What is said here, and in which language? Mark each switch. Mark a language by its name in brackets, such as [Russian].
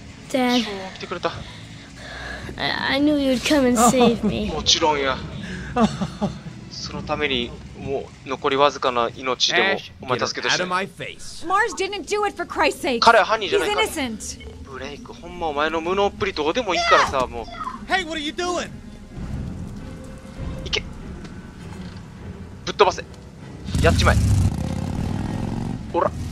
[English] Dad, I knew you'd come and save me. [Japanese] もちろんや。そのためにもう残りわずかな命でもお前助けてほしい。 [English] Mars didn't do it for Christ's sake. [Japanese] 彼は犯人じゃないか。 [English] He's innocent. [Japanese] ブレイク、ほんまお前の無能っぷりどうでもいいからさ、もう。 [English] Hey, what are you doing? [Japanese] 行け。ぶっ飛ばせ。やっちまえ。ほら。